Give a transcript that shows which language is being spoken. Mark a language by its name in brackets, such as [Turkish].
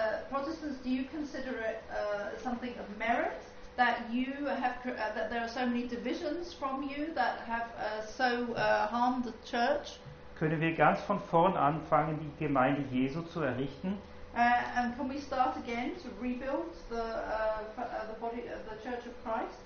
[English] Protestants, do you consider it something of merit that you have that there are so many divisions from you that have so harmed the church? [German] Können wir ganz von vorn anfangen, die Gemeinde Jesu zu errichten? [English] And can we start again to rebuild the body of the Church of Christ?